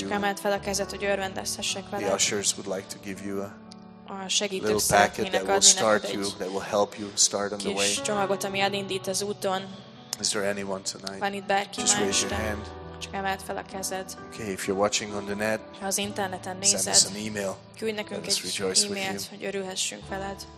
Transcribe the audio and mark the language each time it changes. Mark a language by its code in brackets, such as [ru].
[hu] Csak emeld fel a kezed, hogy örvendezhessek veled. [en] The ushers would like to give you a little packet that will start you, that will help you start on the way. [hu] Kis csomagot, ami elindít az úton. [en] Is there anyone tonight? [hu] Van itt bárki ma este? [en] Just raise your hand. [hu] Csak emeld fel a kezed. [en] Okay, if you're watching on the net, [hu] az interneten nézed, [en] send us an email. [hu] Küldj nekünk egy e-mailt, hogy örülhessünk veled.